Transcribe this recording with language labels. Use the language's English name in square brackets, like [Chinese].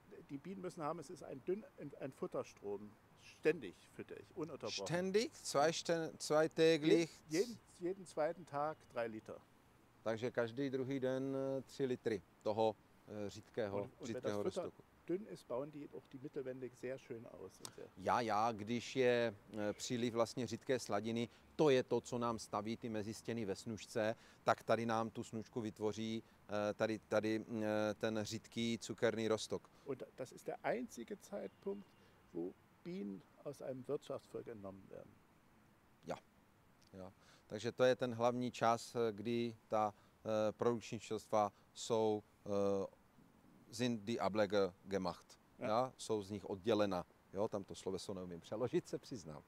[German] Die Bienen müssen haben, es ist ein Futterstrom. Ständig fütter ich, ununterbrochen. Ständig? Zwei täglich? Jeden zweiten Tag 3 Liter. [Czech] Takže každý druhý den 3 litry toho řidkého roztoku. [German] Wenn das Futter dünn ist, bauen die auch die Mittelwände sehr schön aus. [Czech] Ja, když je příliv vlastně řidké sladiny, to je to, co nám staví ty mezistěny ve snužce, tak tady nám tu snužku vytvoří tady ten řidký cukerný roztok. [German] Und das ist der einzige Zeitpunkt, wo Bienen aus einem Wirtschaftsvolk entnommen werden. Ja. [Czech] Takže to je ten hlavní čas, kdy ta produkční včelstva jsou [German] sind die Ableger gemacht. Ja, [Czech] jsou z nich oddělena Jo, tam to sloveso neumím přeložit, se přiznám.